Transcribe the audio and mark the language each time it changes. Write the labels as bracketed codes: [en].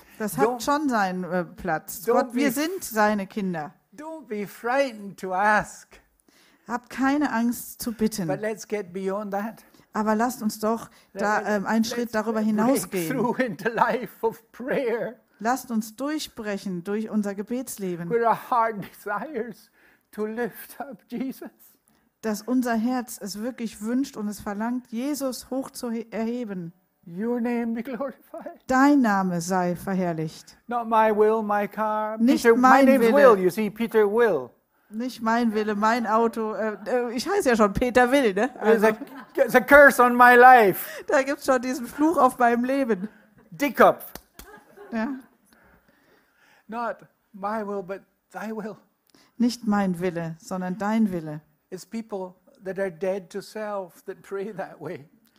[de] Das hat don't, schon seinen Platz. Gott, wir sind seine Kinder. [en] Don't be frightened to ask. [de] Hab keine Angst zu bitten. [en] But let's get beyond that. [de] Aber lasst uns doch da einen Schritt darüber hinausgehen. [en] Break through into life of prayer. [de] Lasst uns durchbrechen durch unser Gebetsleben. [en] With our heart desires to lift up Jesus. [de] Dass unser Herz es wirklich wünscht und es verlangt, Jesus hoch zu erheben. [en] Your name be glorified. [de] Dein Name sei verherrlicht. [en] Not my will, my car. [de] Nicht Peter, mein [en] name's [de] Wille. [en] Will, you see, Peter Will. [de] Nicht mein Wille, mein Auto. Ich heiße ja schon Peter Will, ne? [en] Also, there's a curse on my life. [de] Da gibt's schon diesen Fluch auf meinem Leben. Dickkopf. Ja. [en] Not my will, but thy will. [de] Nicht mein Wille, sondern dein Wille. [en] It's people that are dead to self that pray that way.